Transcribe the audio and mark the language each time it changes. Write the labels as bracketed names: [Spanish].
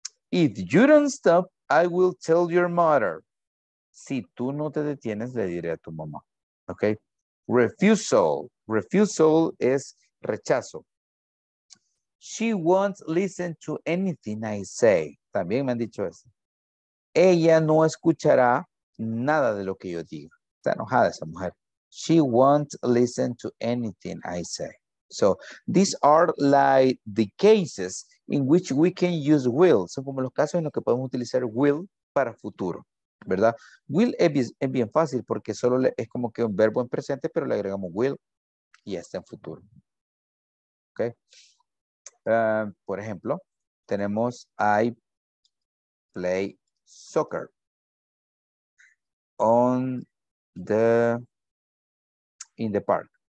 [English] If you don't stop, I will tell your mother. [Spanish] Si tú no te detienes, le diré a tu mamá. Okay. Refusal. Refusal es rechazo. [English] She won't listen to anything I say. [Spanish] También me han dicho eso. Ella no escuchará nada de lo que yo diga. Está enojada esa mujer. [English] She won't listen to anything I say. So these are like the cases in which we can use will. [Spanish] Son como los casos en los que podemos utilizar will para futuro, ¿verdad? Will es bien fácil porque solo es como que un verbo en presente, pero le agregamos will y está en futuro. ¿Ok? Por ejemplo, tenemos [English] I play soccer on the in the park.